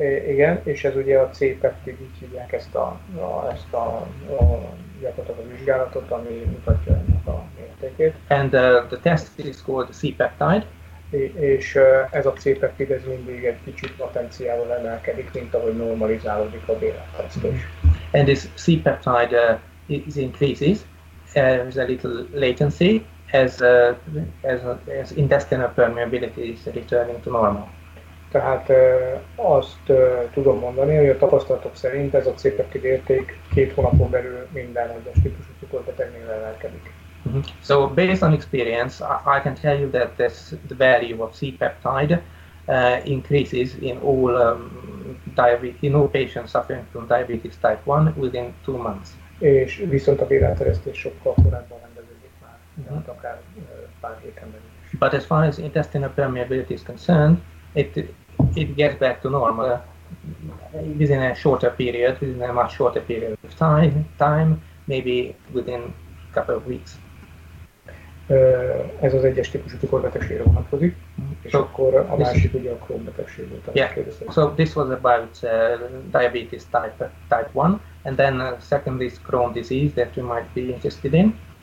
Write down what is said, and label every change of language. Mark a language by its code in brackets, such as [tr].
[hu] Igen, és ez ugye a C-peptid, így hívják ezt a vizsgálatot, ami mutatja ennek a mértékét. [en] And the test is called C-peptide. [hu] És ez a C-peptid ez mindig egy kicsit potenciával emelkedik, mint ahogy normalizálódik a bélátteresztés. [en] And this C-peptide is increases as a little latency as intestinal permeability is returning to normal. [hu] Tehát azt tudom mondani, hogy a tapasztalatok szerint ez a C-peptid érték két hónapon belül minden egyes típusú cukorbetegnél emelkedik. Mm-hmm. [en] So based on experience, I can tell you that this, the value of C-peptide increases in all patients suffering from diabetes type 1 within 2 months. [hu] És viszont a bélátteresztés sokkal korábban rendeződik már, akár pár héten belül. [en] But as far as intestinal permeability is concerned, it gets back to normal within a shorter period, within a much shorter period of time, maybe within a couple of weeks. [hu] Ez az egyes típusú cukorbetegségre vonatkozik, és akkor a másik ugye a Crohn betegség volt. Yeah. [en] So this was about diabetes type 1, and then secondly is Crohn disease that you might be interested in.